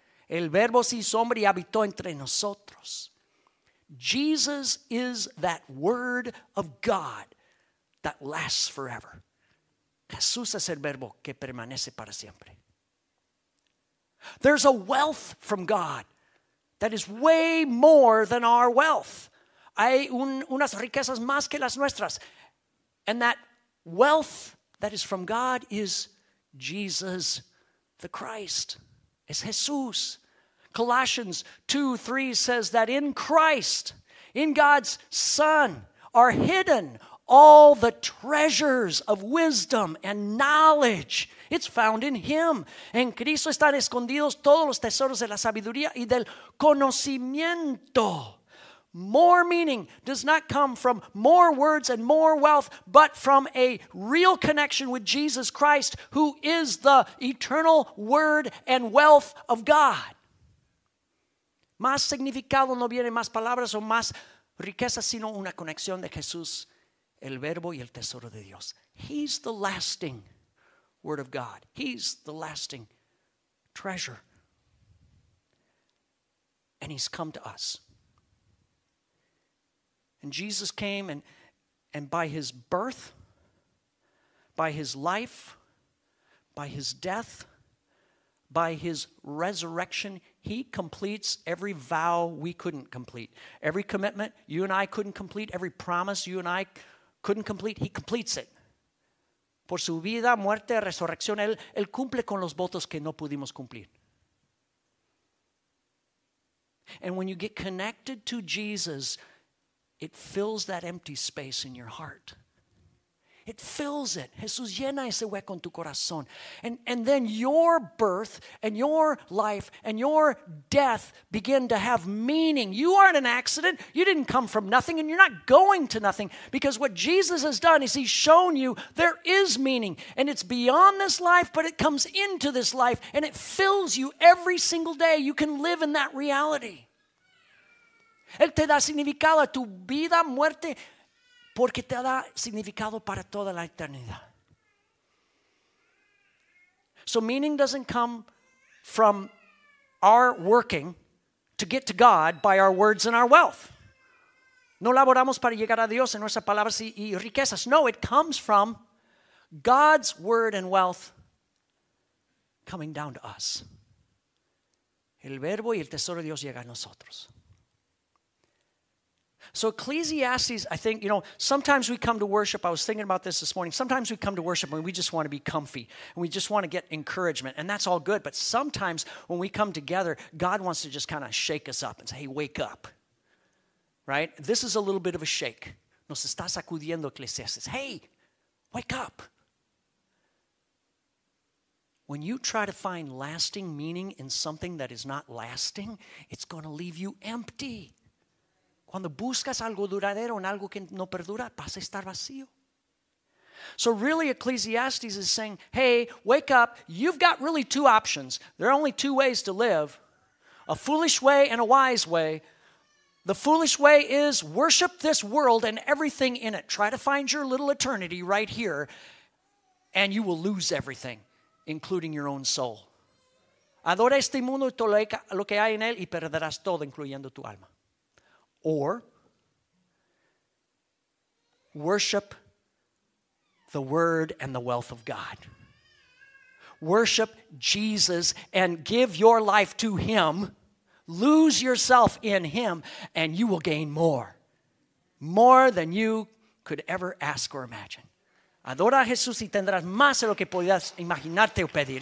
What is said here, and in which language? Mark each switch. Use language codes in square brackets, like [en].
[es] El verbo se hizo hombre y habitó entre nosotros. [en] Jesus is that word of God that lasts forever. [es] Jesús es el verbo que permanece para siempre. [en] There's a wealth from God that is way more than our wealth. [es] Hay unas riquezas más que las nuestras. [en] And that wealth that is from God is Jesus the Christ. [es] Es Jesús. [en] Colossians 2:3 says that in Christ, in God's Son, are hidden all the treasures of wisdom and knowledge. It's found in him. [es] En Cristo están escondidos todos los tesoros de la sabiduría y del conocimiento. [en] More meaning does not come from more words and more wealth, but from a real connection with Jesus Christ, who is the eternal word and wealth of God. [es] Más significado no viene más palabras o más riqueza, sino una conexión de Jesús, el verbo y el tesoro de Dios. [en] He's the lasting word of God. He's the lasting treasure. And he's come to us. And Jesus came and by his birth, by his life, by his death, by his resurrection, he completes every vow we couldn't complete. Every commitment you and I couldn't complete, every promise you and I couldn't complete, he completes it. [es] Por su vida, muerte, resurrección, él cumple con los votos que no pudimos cumplir. [en] And when you get connected to Jesus, it fills that empty space in your heart. It fills it. [es] Jesús llena ese hueco en tu corazón. [en] And then your birth and your life and your death begin to have meaning. You aren't an accident. You didn't come from nothing, and you're not going to nothing, because what Jesus has done is he's shown you there is meaning. And it's beyond this life, but it comes into this life, and it fills you every single day. You can live in that reality. [es] Él te da significado a tu vida, muerte, porque te da significado para toda la eternidad. [en] So meaning doesn't come from our working to get to God by our words and our wealth. [es] No laboramos para llegar a Dios en nuestras palabras y riquezas. [en] No, it comes from God's word and wealth coming down to us. [es] El verbo y el tesoro de Dios llega a nosotros. [en] So Ecclesiastes, I think, you know, sometimes we come to worship. I was thinking about this morning. Sometimes we come to worship and we just want to be comfy and we just want to get encouragement, and that's all good. But sometimes when we come together, God wants to just kind of shake us up and say, hey, wake up, right? This is a little bit of a shake. [es] Nos está sacudiendo Ecclesiastes. [en] Hey, wake up. When you try to find lasting meaning in something that is not lasting, it's going to leave you empty. [es] Cuando buscas algo duradero en algo que no perdura, vas a estar vacío. [en] So really, Ecclesiastes is saying, hey, wake up. You've got really two options. There are only two ways to live, a foolish way and a wise way. The foolish way is worship this world and everything in it. Try to find your little eternity right here, and you will lose everything, including your own soul. [es] Adora este mundo y todo lo que hay en él y perderás todo, incluyendo tu alma. [en] Or worship the word and the wealth of God. Worship Jesus and give your life to him. Lose yourself in him and you will gain more. More than you could ever ask or imagine. [es] Adora a Jesús y tendrás más de lo que podías imaginarte o pedir.